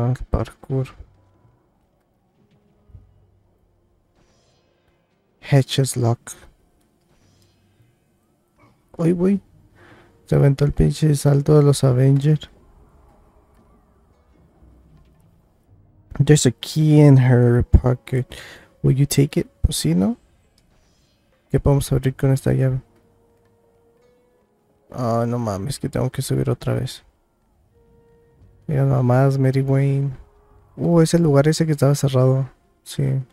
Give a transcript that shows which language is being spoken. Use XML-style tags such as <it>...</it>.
<en>Parkour. Hatches lock. Uy, uy.</en> <es>Se aventó el pinche salto de los Avengers.</es> <en>There's a key in her pocket. Will you take it?</en> <es>Pues sí, ¿no? ¿Qué podemos abrir con esta llave? Ah, oh, no mames, que tengo que subir otra vez. Mira nomás, Mary Wayne. Es el lugar ese que estaba cerrado. Sí.</es>